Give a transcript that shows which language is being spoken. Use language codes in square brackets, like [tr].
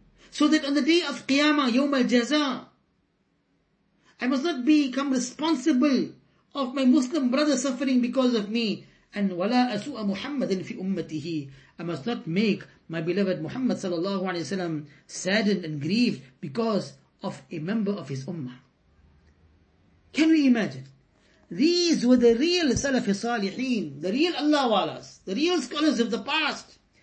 [en] So that on the day of Qiyamah, Yawm al-Jaza, I must not become responsible of my Muslim brother suffering because of me. And [ar] وَلَا أَسُوءَ مُحَمَّدٍ فِي أُمَّتِهِ. [en] I must not make my beloved Muhammad sallallahu alayhi wa sallam saddened and grieved because of a member of his ummah. Can we imagine? These were the real Salafi Saliheen, the real Allah Walas, the real scholars of the past.